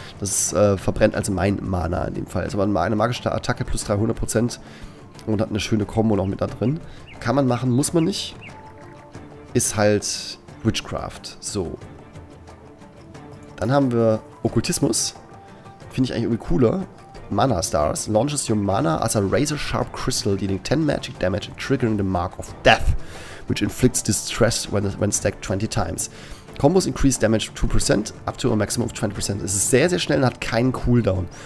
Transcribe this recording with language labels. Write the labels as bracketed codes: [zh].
[de] Das verbrennt also mein Mana in dem Fall. Also eine magische Attacke plus 300% und hat eine schöne Kombo noch mit da drin. Kann man machen, muss man nicht. Ist halt Witchcraft. So. Dann haben wir Okkultismus. Finde ich eigentlich irgendwie cooler. [en] Mana Stars. Launches your Mana as a razor sharp crystal dealing 10 Magic Damage and triggering the Mark of Death, which inflicts distress when stacked 20 times. Combos increase damage 2% up to a maximum of 20%. [de] Es ist sehr, sehr schnell und hat keinen Cooldown.